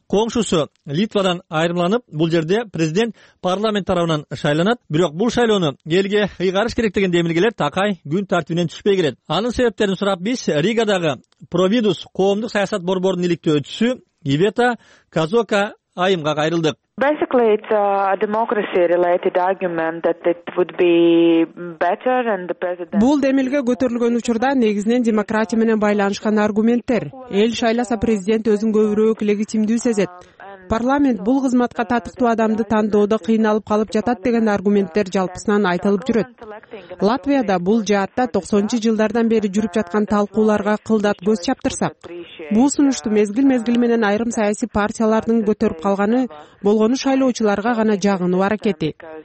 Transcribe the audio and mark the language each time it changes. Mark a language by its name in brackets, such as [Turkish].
[Kyrgyz] Коңшусу Литвадан айырмаланып, бул жерде президент парламент тарабынан шайланат. Бирок бул шайлоону элге ыйгарыш керек деген демилгелер такай күн тартибинен түшпөй келет. Анын себептерин сурап, биз Ригадагы Провидус коомдук саясат борборунун иликтөө өтүшү Ивета Казока айымга кайрылдык. [English] Basically it's a democracy related argument that it would be better and the president. [Kyrgyz] Бул демилге көтөрүлгөн учурда негизинен демократия менен байланышкан аргументтер. Эл шайласа президент өзүн көбүрөөк легитимдүү сезет. парламент бул кызматка татыктуу адамды тандоодо кыйналып калып жатат деген аргументтер жалпысынан айтылып жүрөт. Латвияда бул жаатта 90-жылдардан бери жүрүп жаткан талкууларга кылдат көз чаптырсак, бул сунушту мезгил-мезгил менен айрым саясий партиялардын көтөрүп калганы болгону шайлоочуларга гана жагынуу аракети.